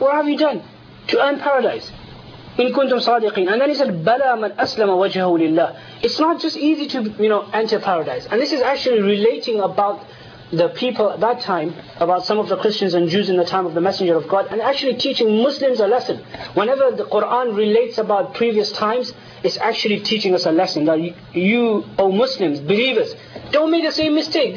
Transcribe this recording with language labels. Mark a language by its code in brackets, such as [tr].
[en] What have you done to earn paradise? [ar] إِن كُنْتُمْ صَادِقِينَ. [en] And then he said, [ar] بَلَى مَنْ أَسْلَمَ وَجْهَهُ لِلَّهِ. [en] It's not just easy to, you know, enter paradise. And this is actually relating about the people at that time, about some of the Christians and Jews in the time of the Messenger of God, and actually teaching Muslims a lesson. Whenever the Quran relates about previous times, it's actually teaching us a lesson that you, oh Muslims, believers, don't make the same mistake.